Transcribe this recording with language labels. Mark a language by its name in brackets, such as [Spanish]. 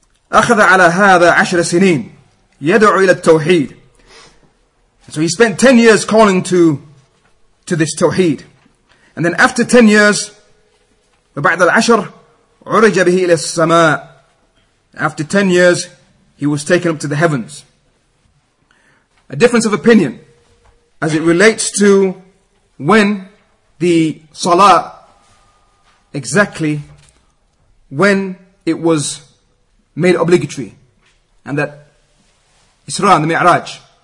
[Arabic] أخذ على هذا عشر سنين يدعو إلى التوحيد. [English] So he spent 10 years calling to this tawheed. And then after 10 years, [Arabic] وبعد العشر عرج به إلى السماء. [English] After 10 years, he was taken up to the heavens. A difference of opinion as it relates to when the salah, exactly when it was made obligatory, and that Isra and the Mi'raj.